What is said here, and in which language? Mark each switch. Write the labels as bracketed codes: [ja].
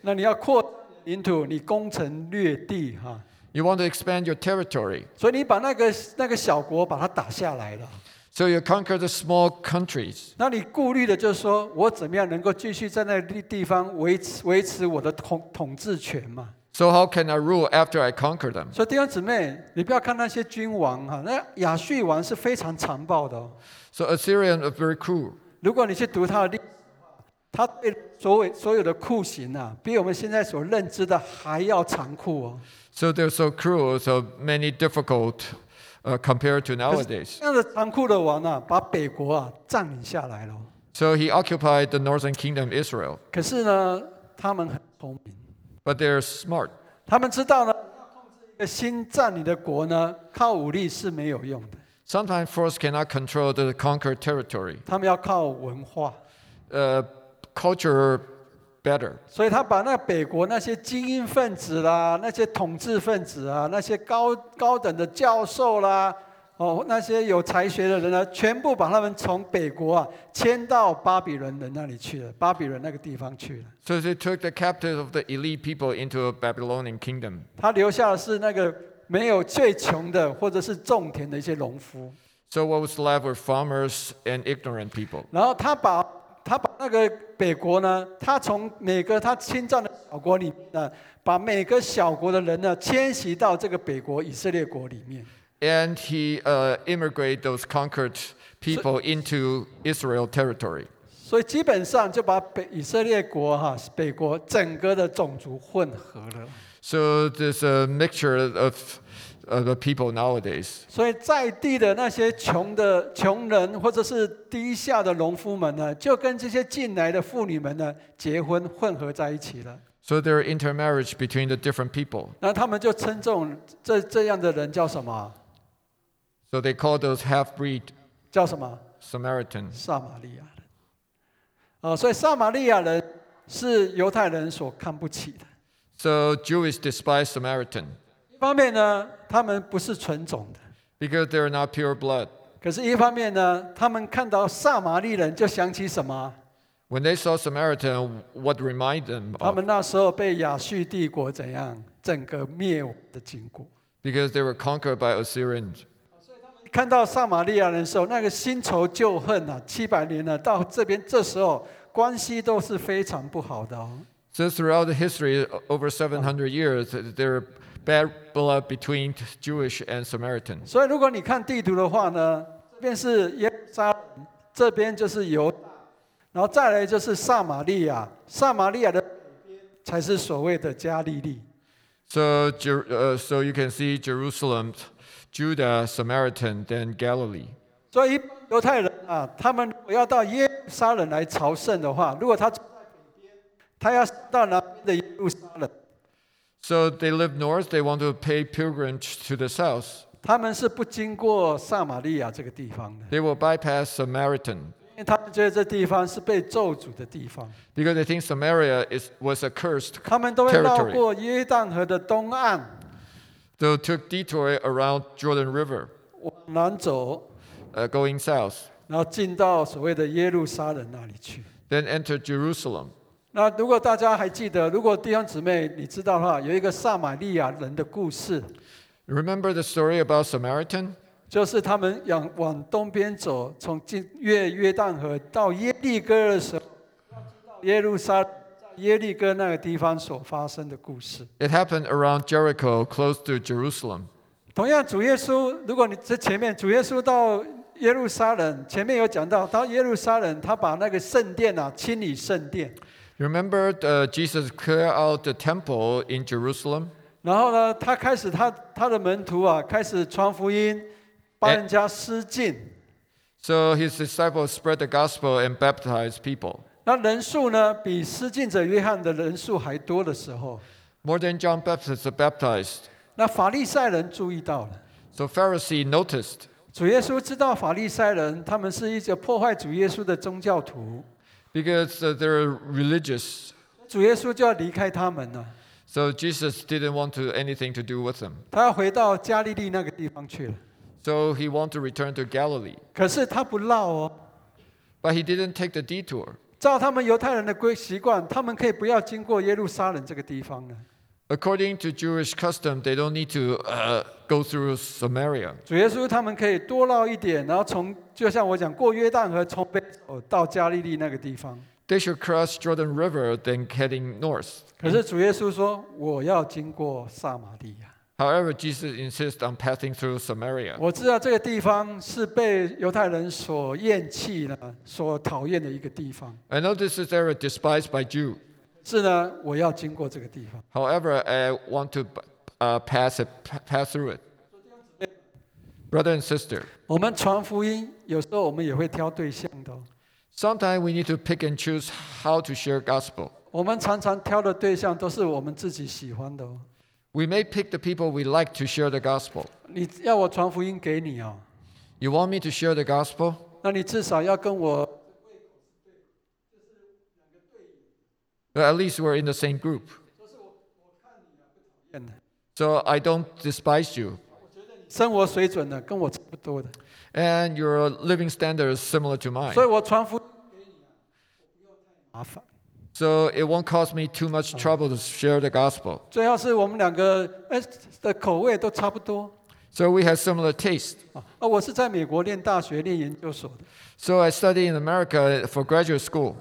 [zh] 那你要扩领土，你攻城略地哈。 [en] You want to expand your territory. [zh] 所以你把那个小国把它打下来了。 [en] So you conquer the small countries. [zh] 那你顾虑的就是说我怎么样能够继续在那个地方维持我的统治权嘛 [en] ？So how can I rule after I conquer them? [zh] 所以弟兄姊妹，你不要看那些君王哈，那亚述王是非常残暴的。 [en] So Assyrian are very cruel. [zh] 如果你去读他的历史，他对所有的酷刑啊，比我们现在所认知的还要残酷哦。 [en] So they're so cruel, so many difficult, compared to nowadays. [zh] 这样的残酷的王啊，把北国啊占领下来了。 [en] So he occupied the northern kingdom Israel. [zh] 可是呢，他们很聪明。 [en] But they're smart. [zh] 他们知道呢，要控制一个新占领的国呢，靠武力是没有用的。 [en] Sometimes force cannot control the conquered territory. [zh] 他们要靠文化。 [en] Culture better. [zh] 所以他把那北国那些精英分子啦，那些统治分子啊，那些高等的教授啦，那些有才学的人呢，全部把他们从北国啊迁到巴比伦人那里去了，巴比伦那个地方去了。 [en] So they took the captives of the elite people into a Babylonian kingdom. [zh] 他留下的是那个没有最穷的，或者是种田的一些农夫。 [en] So what was left were farmers and ignorant people. [zh] 然后他把那个北国呢，他从每个他侵占的小国里面呢，把每个小国的人呢迁徙到这个北国以色列国里面。 [en] And he immigrated those conquered people into Israel territory. [zh] So, 基本上就把北以色列国哈北国整个的种族混合了。 [en] So there's a mixture of the people nowadays. [zh] 所以在地的那些穷人或者是低下的农夫们呢，就跟这些进来的妇女们呢结婚混合在一起了。 [en] So there are intermarriage between the different people. [zh] 那他们就称这样的人叫什么？ [en] So they call those half-breed [zh] 叫什么 [en] Samaritan [zh] 撒玛利亚人、所以撒玛利亚人是犹太人所看不起的。 [en] So Jews despise Samaritan. [zh] 一方面呢，他们不是纯种的。 [en] Because they are not pure blood. [zh] 可是一方面呢，他们看到撒玛利人就想起什么？ [en] When they saw Samaritan, what reminded them of? [zh] 他们那时候被亚述帝国怎样整个灭亡的经过。 [en] Because they were conquered by Assyrians. [zh] 看到撒玛利亚人的时候，那个新仇旧恨啊，七百年了，到这边这时候关系都是非常不好的、 [en] So throughout the history, over 700 years, there are bad blood between Jewish and Samaritan. [zh] 所以如果你看地图的话呢，这边是耶路撒冷，这边就是犹大，然后再来就是撒玛利亚，撒玛利亚的北边才是所谓的加利利。 [en] So you can see Jerusalem. Judah, Samaritan, then Galilee. [zh] So, 一般犹太人啊，他们如果要到耶路撒冷来朝圣的话，如果他住在北边，他要到南边的耶路撒冷。 [en] So they live north. They want to pay pilgrimage to the south. [zh] 他们是不经过撒玛利亚这个地方的。 [en] They will bypass Samaritan. [zh] 因为他们觉得这地方是被咒诅的地方。 [en] Because they think Samaria was a cursed territory. [zh] 他们都会绕过约旦河的东岸。 [en] So took detour around Jordan River, [zh] 往南走 [en] going south, [zh] 然后进到所谓的耶路撒冷那里去 [en] then entered Jerusalem. [zh] 那如果大家还记得，如果弟兄姊妹你知道的话，有一个撒玛利亚人的故事。 [en] Remember the story about Samaritan? [zh] 就是他们往东边走，从越约旦河到耶利哥的时候，要知道耶路撒冷。耶利哥那个地方所发生的故事。 [en] It happened around Jericho, close to Jerusalem. [zh] 同样，主耶稣，如果你在前面，主耶稣到耶路撒冷，前面有讲到，到耶路撒冷，他把那个圣殿啊清理圣殿。 [en] Remember, Jesus cleared out the temple in Jerusalem. [zh] 然后呢，他开始他的门徒啊，开始传福音，帮人家施浸。 [en] So his disciples spread the gospel and baptized people. [zh] 那人数呢？比施浸者约翰的人数还多的时候 [en] ，More than John Baptist baptized。 [zh] 那法利赛人注意到了 [en] ，So Pharisee noticed。 [zh] 主耶稣知道法利赛人，他们是一些破坏主耶稣的宗教徒 [en] ，Because they're religious。 [zh] 主耶稣就要离开他们了 [en] ，So Jesus didn't want anything to do with them。 [zh] 他要回到加利利那个地方去了 [en] ，So he wanted to return to Galilee。 [zh] 可是他不绕哦 [en] ，But he didn't take the detour。 [zh] 照他们犹太人的习惯，他们可以不要经过耶路撒冷这个地方呢。 [en] According to Jewish custom, they don't need to go through Samaria. [zh] 主耶稣他们可以多绕一点，然后从就像我讲过约旦河，从北走到加利利那个地方。 [en] They should cross Jordan River, then heading north. [zh] 可是主耶稣说，我要经过撒玛利亚。 [en] However, Jesus insists on passing through Samaria. [zh] 我知道这个地方是被犹太人所厌弃的，所讨厌的一个地方。 [en] I know this is area despised by Jews. [zh] 是呢，我要经过这个地方。 [en] However, I want to pass through it. Brother and sister, [zh] 我们传福音，有时候我们也会挑对象的。 [en] Sometimes we need to pick and choose how to share gospel. [zh] 我们常常挑的对象都是我们自己喜欢的。 [en] We may pick the people we like to share the gospel. [zh] 你要我传福音给你哦。 [en] You want me to share the gospel? [zh] 那你至少要跟我。 [en] At least we're in the same group. [zh] 就是我看你啊，不讨厌的。 [en] So I don't despise you. [zh] 我觉得你生活水准的跟我差不多的。 [en] And your living standard is similar to mine. [zh] 所以我传福音给你，不要太麻烦。 [en] So it won't cost me too much trouble to share the gospel. [zh] 最好是我们两个的口味都差不多。 [en] So we have similar taste. [zh] 啊，我是在美国念大学念研究所的。 [en] So I study in America for graduate school.